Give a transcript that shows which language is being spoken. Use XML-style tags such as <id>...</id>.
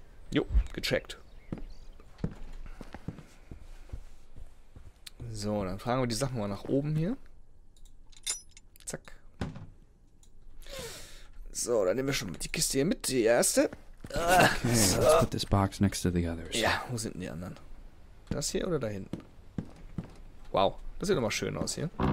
<de>Jo, gecheckt. So, dann fragen wir die Sachen mal nach oben hier. Zack. So, dann nehmen wir schon die Kiste hier mit, die erste.</de> <en>Okay, so. Let's put this box next to the others.</en> <de>Ja, wo sind denn die anderen? Das hier oder da hinten? Wow, das sieht doch mal schön aus hier.</de>